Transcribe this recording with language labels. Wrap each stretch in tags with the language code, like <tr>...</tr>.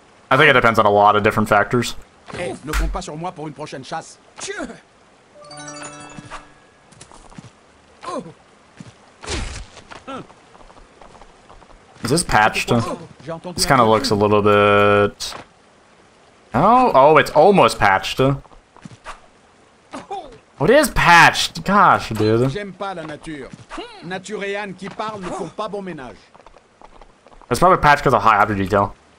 <en>I think it depends on a lot of different factors.</en> <fr>Hey, ne compte pas sur moi pour une prochaine chasse.</fr> <en>Is this patched? This kind of looks a little bit... Oh, it's almost patched. Oh, it is patched. Gosh, dude.</en> <fr>J'aime pas la nature. Nature et Anne qui parlent ne font pas bon ménage.</fr> <en>It's probably patched because of high after detail.</en>